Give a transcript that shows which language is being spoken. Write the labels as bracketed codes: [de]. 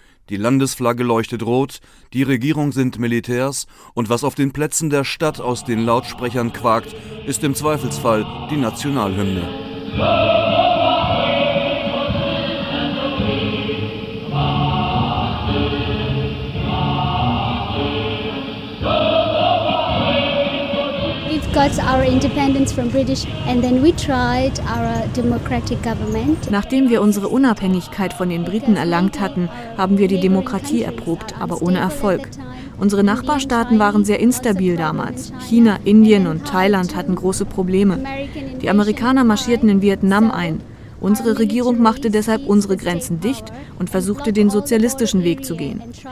[de] Die Landesflagge leuchtet rot, die Regierung sind Militärs und was auf den Plätzen der Stadt aus den Lautsprechern quakt, ist im Zweifelsfall die Nationalhymne. [en] It's got our independence from British and then we tried our democratic government. [de] Nachdem wir unsere Unabhängigkeit von den Briten erlangt hatten, haben wir die Demokratie erprobt, aber ohne Erfolg. Unsere Nachbarstaaten waren sehr instabil damals. China, Indien und Thailand hatten große Probleme. Die Amerikaner marschierten in Vietnam ein. Unsere Regierung machte deshalb unsere Grenzen dicht und versuchte, den sozialistischen Weg zu gehen.